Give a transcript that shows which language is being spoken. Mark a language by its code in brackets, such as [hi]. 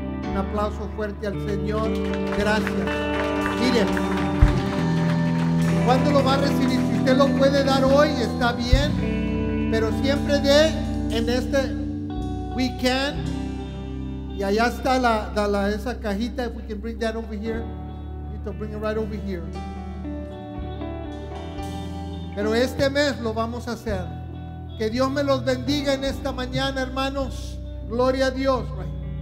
[es] Un aplauso fuerte al Señor. Gracias. Mire, ¿cuándo lo va a recibir? Si usted lo puede dar hoy, está bien. Pero siempre dé en este weekend. Y allá está la esa cajita. [en] If we can bring that over here. You can bring it right over here. [es] Pero este mes lo vamos a hacer. Que Dios me los bendiga en esta mañana, hermanos. Gloria a Dios. Right.